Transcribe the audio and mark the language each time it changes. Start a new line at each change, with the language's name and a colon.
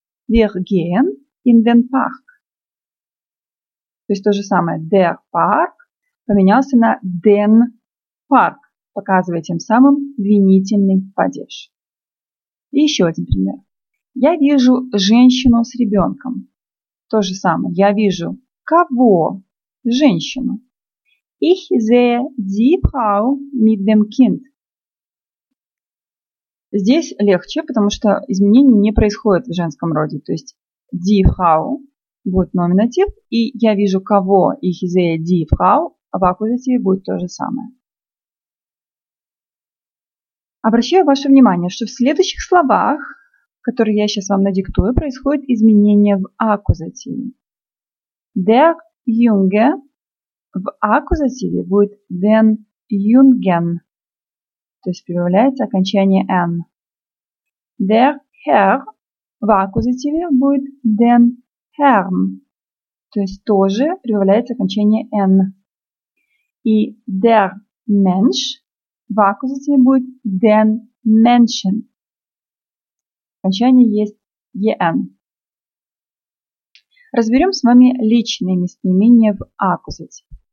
German: Wir gehen in den Park.
Russian: То есть то же самое. Der Park поменялся на den Park, показывая тем самым винительный падеж. И еще один пример. Я вижу женщину с ребенком. То же самое. Я вижу кого? Женщину.
German: Ich sehe die Frau mit dem Kind.
Russian: Здесь легче, потому что изменения не происходят в женском роде. То есть die Frau будет номинатив, и я вижу кого,
German: ich sehe die Frau,
Russian: а в аккузативе будет то же самое. Обращаю ваше внимание, что в следующих словах, которые я сейчас вам надиктую, происходит изменение в аккузативе.
German: Der Junge
Russian: в аккузативе будет
German: den Jungen.
Russian: То есть прибавляется окончание «n».
German: Der Herr
Russian: в аккузативе будет
German: den Herrn.
Russian: То есть тоже прибавляется окончание «n». И der Mensch в аккузативе будет den Menschen. Окончание есть «en». Разберем с вами личные местоимения в аккузативе.